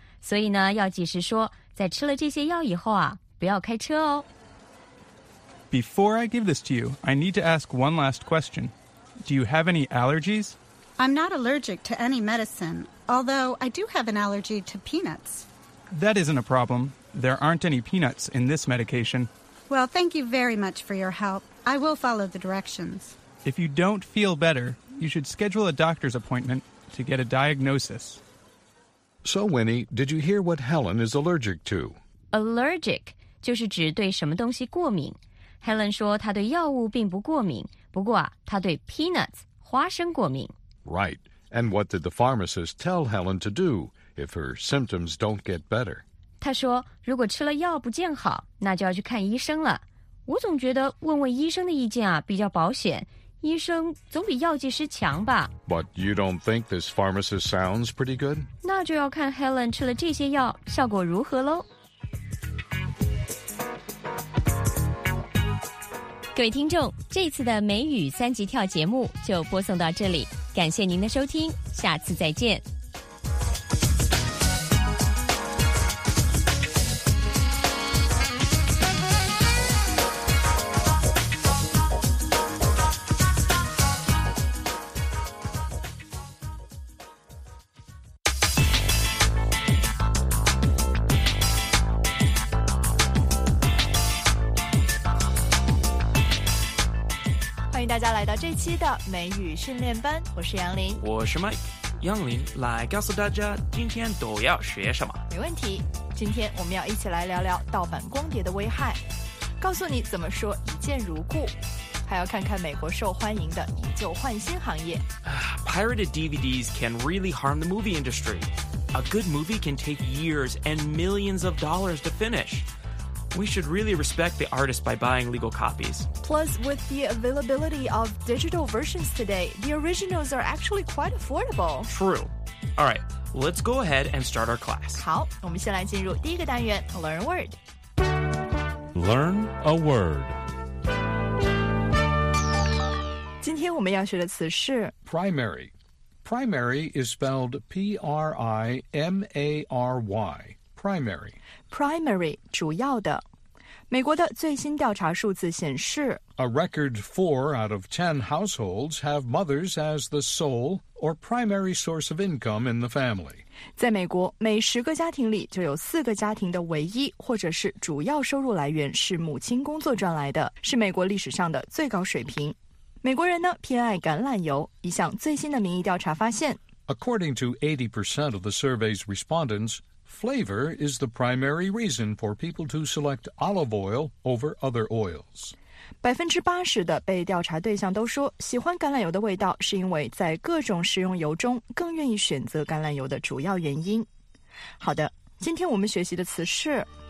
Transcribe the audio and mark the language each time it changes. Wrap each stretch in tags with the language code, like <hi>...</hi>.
<zh>所以呢，药剂师说，在吃了这些药以后啊，不要开车哦。</zh> <en>Before I give this to you, I need to ask one last question. Do you have any allergies? I'm not allergic to any medicine, although I do have an allergy to peanuts. That isn't a problem. There aren't any peanuts in this medication. Well, thank you very much for your help. I will follow the directions. If you don't feel better, you should schedule a doctor's appointment to get a diagnosis. So, Winnie, did you hear what Helen is allergic to? Allergic.</en> <zh>就是指对什么东西过敏。 Helen 说她对药物并不过敏，不过啊，她对 peanuts 花生过敏。</zh> <en>Right. And what did the pharmacist tell Helen to do if her symptoms don't get better?</en> <zh>她说，如果吃了药不见好，那就要去看医生了。我总觉得问问医生的意见啊比较保险，医生总比药剂师强吧。</zh> <en>But you don't think this pharmacist sounds pretty good?</en> <zh>那就要看 Helen 吃了这些药效果如何喽。各位听众，这次的美语三级跳节目就播送到这里，感谢您的收听，下次再见。家来到这期的美语训练班，我是杨林，我是 Mike。杨林来告诉大家今天都要学什么。没问题，今天我们要一起来聊聊盗版光碟的危害，告诉你怎么说一见如故，还要看看美国受欢迎的以旧换新行业。</zh> <en>Pirated DVDs can really harm the movie industry. A good movie can take years and millions of dollars to finish. We should really respect the artist by buying legal copies. Plus, with the availability of digital versions today, the originals are actually quite affordable. True. All right, let's go ahead and start our class.</en> <zh>好，我们先来进入第一个单元 ,</zh> <en>Learn a Word. Learn a Word.</en> <zh>今天我们要学的词是</zh> <en>primary. Primary is spelled P-R-I-M-A-R-Y. Primary.</en> <zh>Primary, 主要的。美国的最新调查数字显示</zh> <en>A record 4 out of 10 households have mothers as the sole or primary source of income in the family.</en> <zh>在美国，每十个家庭里就有四个家庭的唯一或者是主要收入来源是母亲工作赚来的，是美国历史上的最高水平。美国人呢偏爱橄榄油。一项最新的民意调查发现</zh> <en>，According to 80% of the survey's respondents, flavor is the primary reason for people to select olive oil over other oils.</en> <zh>80%的被调查对象都说，喜欢橄榄油的味道是因为在各种食用油中更愿意选择橄榄油的主要原因。好的，今天我们学习的词是</zh>